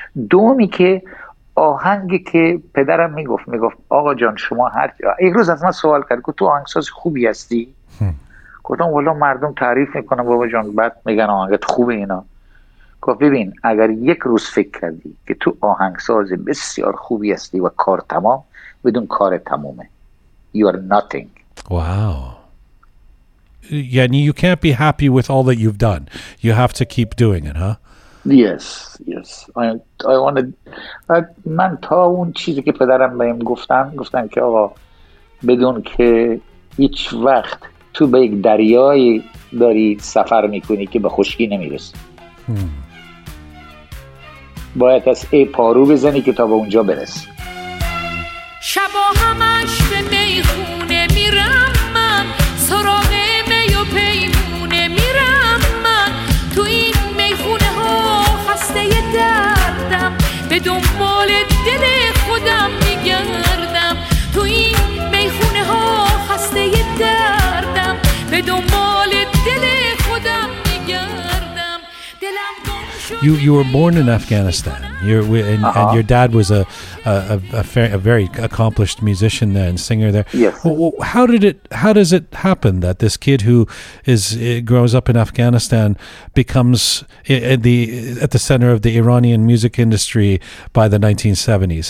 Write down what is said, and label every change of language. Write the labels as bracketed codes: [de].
[fa] دومی که آهنگی که پدرم میگفت آقا جان شما هر یک روز از من سوال کرد که تو آهنگساز خوبی هستی؟ گفتم والا مردم تعریف میکنم بابا جان، بعد میگن آهنگت خوبه اینا. گفت ببین، اگر یک روز فکر کردی که تو آهنگساز بسیار خوبی هستی و کار تمام، بدون کار تمومه. [en] You are nothing. Wow. Yani you can't be happy with all that you've done. You have to keep doing it, huh? Yes. I wanted [fa] من تا اون چیزی که پدرم بهم گفتن که آقا بدون که هیچ وقت تو به یک دریای داری سفر میکنی که به خشکی نمیرسی. باید از ای پارو بزنی که تا به اونجا برسی. شبا همش به میخونه میرم من، سراغ می و پیمونه میرم من، تو این میخونه ها خسته دردم، به دنبال دل خودم میگردم، تو این میخونه ها خسته دردم، به دنبال دل خودم میگردم، دلم. [en] You were born in Afghanistan. And your dad was a very accomplished musician there and singer there. Yes. How does it happen that this kid who grows up in Afghanistan becomes at the center of the Iranian music industry by the 1970s?